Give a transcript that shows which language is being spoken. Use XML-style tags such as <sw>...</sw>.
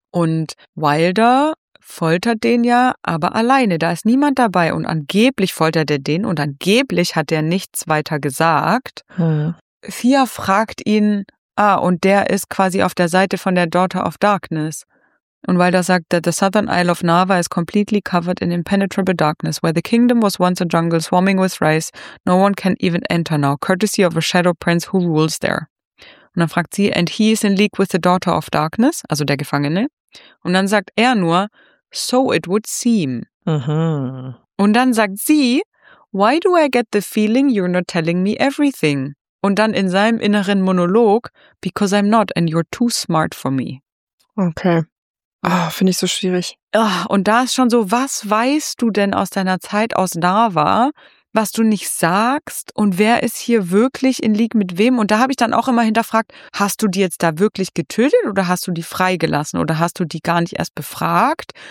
<de>Und Wilder foltert den ja, aber alleine, da ist niemand dabei. Und angeblich foltert er den und angeblich hat er nichts weiter gesagt. Thea fragt ihn, ah, und der ist quasi auf der Seite von der Daughter of Darkness. Und Wilder sagt,</de> <en>that the southern isle of Narva is completely covered in impenetrable darkness, where the kingdom was once a jungle swarming with rice, no one can even enter now, courtesy of a shadow prince who rules there.</en> <de>Und dann fragt sie,</de> <en>and he is in league with the Daughter of Darkness,</en> <de>also der Gefangene. Und dann sagt er nur,</de> <en>so it would seem.</en> <de>Und dann sagt sie,</de> <en>why do I get the feeling you're not telling me everything?</en> <de>Und dann in seinem inneren Monolog,</de> <en>because I'm not and you're too smart for me.</en> <de>Okay. Oh, finde ich so schwierig. Ach, und da ist schon so, was weißt du denn aus deiner Zeit aus Narva, was du nicht sagst und wer ist hier wirklich in League mit wem? Und da habe ich dann auch immer hinterfragt, hast du die jetzt da wirklich getötet oder hast du die freigelassen oder hast du die gar nicht erst befragt?</de>